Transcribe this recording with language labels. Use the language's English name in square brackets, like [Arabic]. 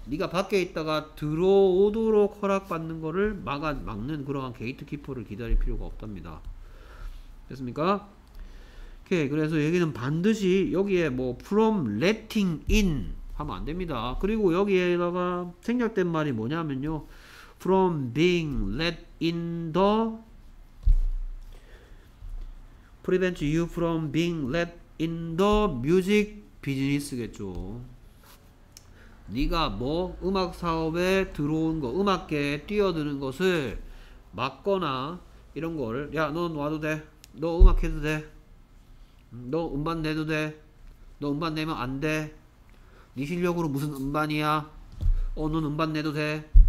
[Korean] 네가 밖에 있다가 들어오도록 허락받는 거를 막는 그러한 게이트키퍼를 기다릴 필요가 없답니다. 됐습니까? 오케이. 그래서 여기는 반드시 여기에 뭐 [English] from letting in [Korean] 하면 안 됩니다. 그리고 여기에다가 생략된 말이 뭐냐면요. [English] from being let in the prevents you from being let in the music business겠죠. [Korean] 네가 뭐 음악 사업에 들어온 거, 음악계에 뛰어드는 것을 막거나 이런 걸 야, 넌 와도 돼. 너 음악 해도 돼. 너 음반 내도 돼. 너 음반 내면 안 돼. 네 실력으로 무슨 음반이야? 넌 음반 내도 돼.